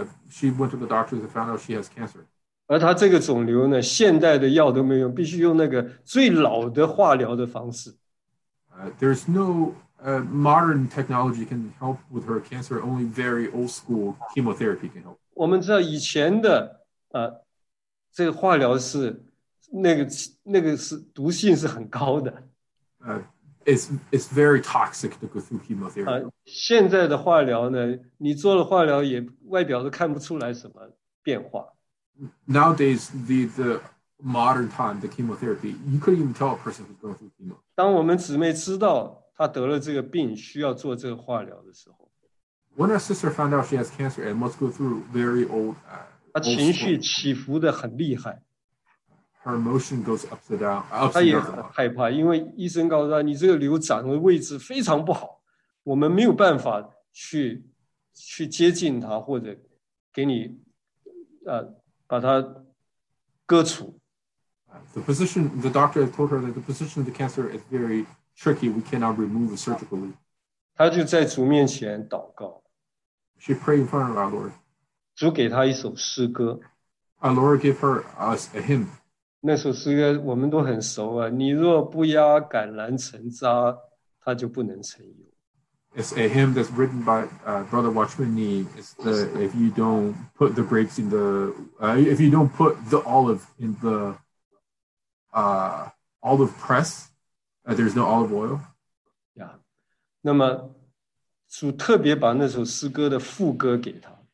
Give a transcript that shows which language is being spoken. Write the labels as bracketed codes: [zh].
[en] She went to the doctor and found out she has cancer. [zh] 而她这个肿瘤呢，现代的药都没用，必须用那个最老的化疗的方式。 [en] There's no modern technology can help with her cancer. Only very old school chemotherapy can help. [zh] 我们知道以前的这个化疗是。那个是毒性是很高的。 [en] It's very toxic to go through chemotherapy. [zh] 现在的化疗呢，你做了化疗也外表都看不出来什么变化。 [en] Nowadays, the modern time, the chemotherapy, you couldn't even tell a person who's going through chemo. [zh] 当我们姊妹知道她得了这个病，需要做这个化疗的时候 [en] ，When our sister found out she has cancer and must go through very old, [zh] 她情绪起伏的很厉害。 [en] Her emotion goes upside down. [zh] 她也害怕，因为医生告诉她，你这个瘤长的位置非常不好，我们没有办法去接近它，或者给你把它割除。 [en] The position, the doctor told her that the position of the cancer is very tricky. We cannot remove it surgically. [zh] 她就在主面前祷告。 [en] She prayed in front of our Lord. [zh] 主给她一首诗歌。 [en] Our Lord gave her us a hymn. [zh] 那首诗歌我们都很熟啊，你若不压橄榄成渣，它就不能成油。 [en] It's a hymn that's written by Brother Watchman Nee. It's the if you don't put the grapes in the if you don't put the olive in the olive press, there's no olive oil. Yeah. [zh] 那么主特别把那首诗歌的副歌给他。